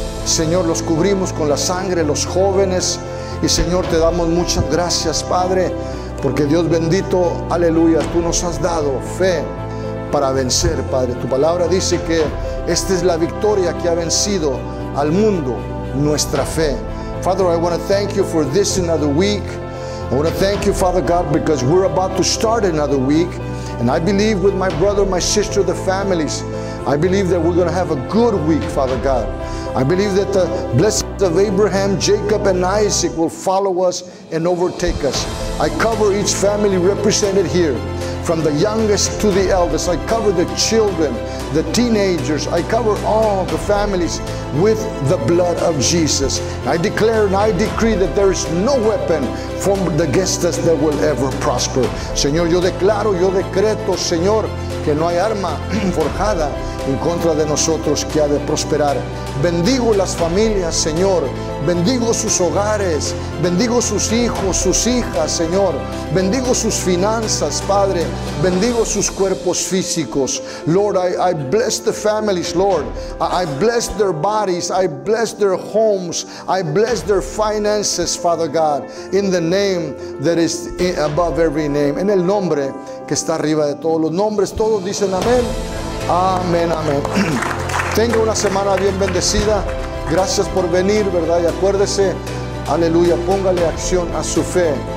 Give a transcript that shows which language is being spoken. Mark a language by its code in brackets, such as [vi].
[es] Señor, los cubrimos con la sangre, los jóvenes. Y Señor, te damos muchas gracias, Padre, porque Dios bendito, aleluya, tú nos has dado fe para vencer, Padre. Tu palabra dice que esta es la victoria que ha vencido al mundo, nuestra fe. [en] Father, I want to thank you for this another week. I want to thank you, Father God, because we're about to start another week. And I believe with my brother, my sister, the families, I believe that we're going to have a good week, Father God. I believe that the blessings of Abraham, Jacob, and Isaac will follow us and overtake us. I cover each family represented here, from the youngest to the eldest. I cover the children, the teenagers. I cover all the families with the blood of Jesus. I declare and I decree that there is no weapon formed against us that will ever prosper. [es] Señor, yo declaro, yo decreto, Señor, que no hay arma forjada en contra de nosotros que ha de prosperar. Bendigo las familias, Señor. Bendigo sus hogares. Bendigo sus hijos, sus hijas, Señor. Bendigo sus finanzas, Padre. Bendigo sus cuerpos físicos. [en] Lord, I bless the families, Lord. I bless their bodies. I bless their homes. I bless their finances, Father God. In the name that is above every name. [es] En el nombre que está arriba de todos los nombres. Todos dicen amén. Amén, amén. Tenga una semana bien bendecida. Gracias por venir, ¿verdad? Y acuérdese, aleluya, póngale acción a su fe.